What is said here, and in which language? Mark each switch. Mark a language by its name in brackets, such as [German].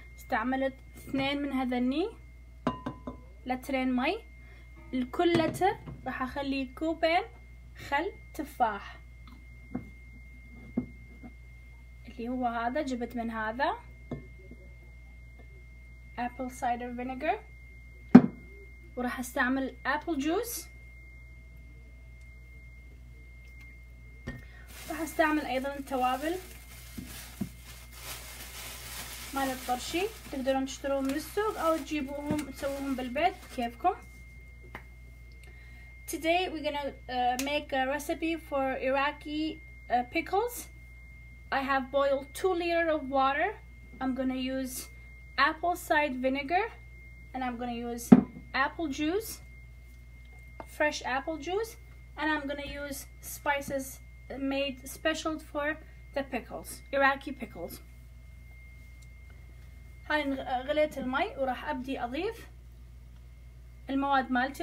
[Arabic] استعملت 2 من هذني لترين مي، لكل لتر راح اخلي كوبين خل تفاح اللي هو هذا، جبت من هذا apple cider vinegar، وراح استعمل apple juice، راح استعمل ايضا التوابل مال الطرشي، تقدرون تشتروهم من السوق او تجيبوهم تسووهم بالبيت بكيفكم. [English] Today we're gonna make a recipe for Iraqi pickles. I have boiled 2 liters of water. I'm gonna use apple cider vinegar and I'm gonna use apple juice, fresh apple juice, and I'm gonna use spices made special for the pickles, Iraqi pickles. [Arabic] هاي غليت المي وراح ابدي اضيف المواد مالتي.